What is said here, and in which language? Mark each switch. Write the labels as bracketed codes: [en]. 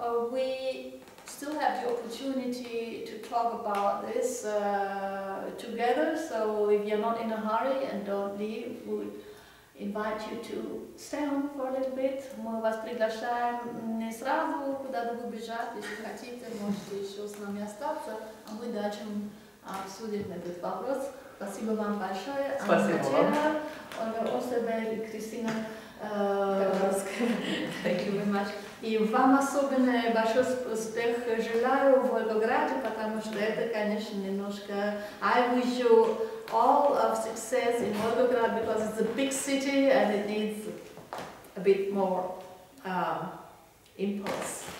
[en] We still have the opportunity to talk about this together, so if you're not in a hurry and don't leave, we would invite you to stay on for a little bit. [ru] Мы вас приглашаем не сразу куда-то убежать, если хотите, можете еще с нами остаться, а мы дальше обсудим этот вопрос. Спасибо вам большое. Спасибо вам. Ольга Остерберг и Кристина Ковровская. [en] Thank you very much. [ru] И вам особенно большой успех желаю в Волгограде, потому что это, конечно, немножко... [en] I wish you all of success in Volgograd, because it's a big city and it needs a bit more impulse.